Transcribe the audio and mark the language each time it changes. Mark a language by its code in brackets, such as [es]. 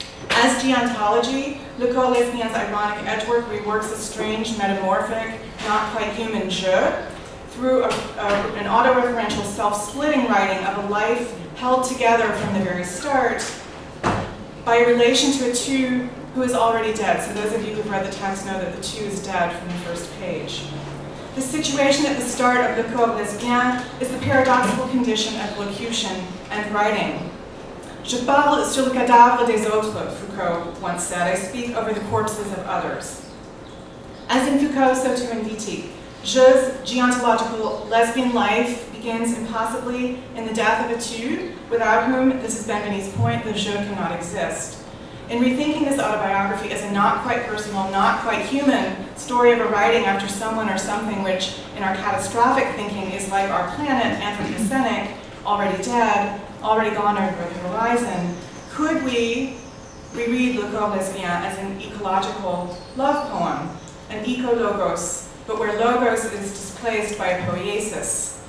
[en] As geontology, le corps lesbien's ironic edgework reworks a strange, metamorphic, not quite human je through an autoreferential self-splitting writing of a life held together from the very start by a relation to a tu who is already dead. So those of you who've read the text know that the tu is dead from the first page. The situation at the start of Le corps lesbien is the paradoxical condition of locution and writing. [fr] Je parle sur le cadavre des autres, [en] Foucault once said. I speak over the corpses of others. As in Foucault, so too in Wittig. Je's geontological lesbian life begins impossibly in the death of a tu, without whom, this is Benveniste's point, the je cannot exist. In rethinking this autobiography as a not quite personal, not quite human story of a writing after someone or something which, in our catastrophic thinking, is like our planet, anthropocenic, already dead, already gone over the horizon, could we reread Le corps lesbien as an ecological love poem, an eco-logos, but where logos is displaced by poiesis?